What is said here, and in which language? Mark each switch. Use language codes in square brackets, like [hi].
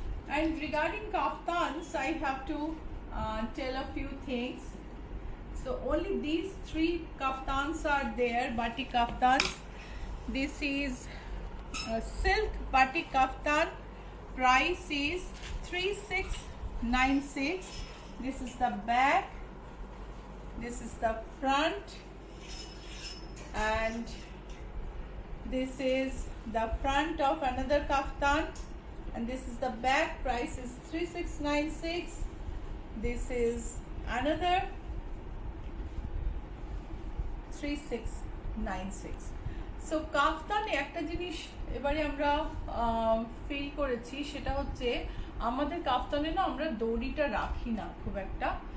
[en] And regarding kaftans, I have to tell a few things. So only these three kaftans are there, batik kaftans. This is a silk batik kaftan. Price is 3696. This is the back. This is the front. And this is the front of another kaftan. And this is the back. Price is 3696. This is another 3696. [bn] So কাফতানে একটা জিনিস এবারে আমরা feel করেছি, সেটা হচ্ছে আমাদের কাফতানে না আমরা দড়িটা রাখি না খুব একটা।